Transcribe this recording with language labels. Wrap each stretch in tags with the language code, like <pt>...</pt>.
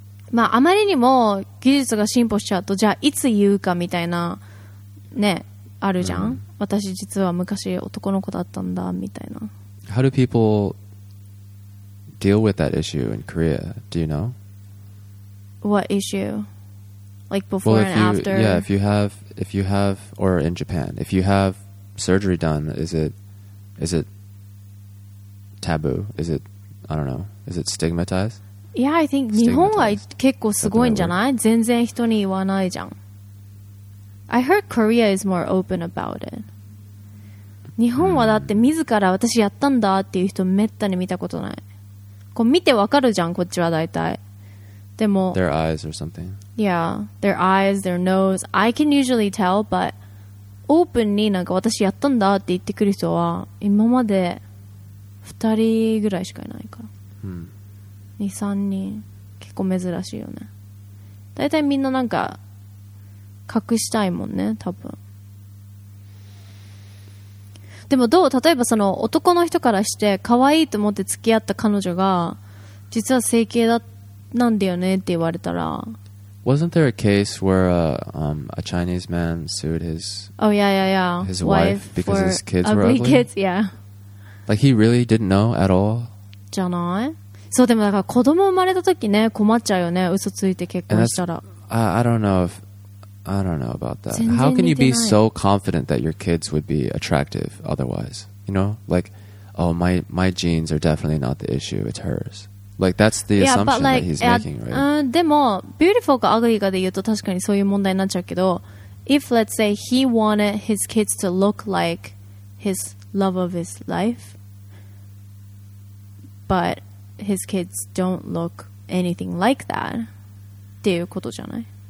<ja>まああまりにも技術が進歩しちゃうと、じゃあいつ言うかみたいな、ね、あるじゃん。 Mm. 私実は昔男の子だったんだみたいな。</ja> <en>How do people deal with that issue in Korea? Do you know? What issue? Like before well, and you, after. Yeah, if you have, or in Japan, if you have surgery done, is it taboo? Is it, I don't know, is it stigmatized? Yeah, I think</en> <ja>日本は結構すごいんじゃない？全然人に言わないじゃん。</ja> <en>I heard Korea is more open about it.</en> <ja>日本はだって自ら私やったんだっていう人めったに見たことない。こう見てわかるじゃん、こっちはだいたい。でも</ja> <en>their eyes or something. Yeah, their eyes, their nose. I can usually tell, but openly,</en> <ja>なんか私やったんだって言ってくる人は今まで2人ぐらいしかいないから。 2、3人結構珍しいよね。大体みんななんか隠したいもんね、多分。でもどう、例えばその男の人からして可愛いと思って付き合った彼女が実は整形だった。なんだよねって言われたら</ja> <en>Wasn't there a case where a Chinese man sued his Oh yeah yeah yeah His wife because his kids were ugly? Ugly kids, yeah Like he really didn't know at all?</en> <ja>じゃない？そうでもだから子供生まれた時ね困っちゃうよね嘘ついて結婚したら</ja> <en>I don't know about that How can you be so confident that your kids would be attractive otherwise? You know? Like oh my genes are definitely not the issue it's hersLike, that's the assumption yeah, but like, that he's making, right?</en> <ja>でも beautiful か ugly かで言うと確かにそういう問題になっちゃうけど</ja> <en>If, let's say, he wanted his kids to look like his love of his life But his kids don't look anything like that</en> <ja>っていうことじゃない</ja>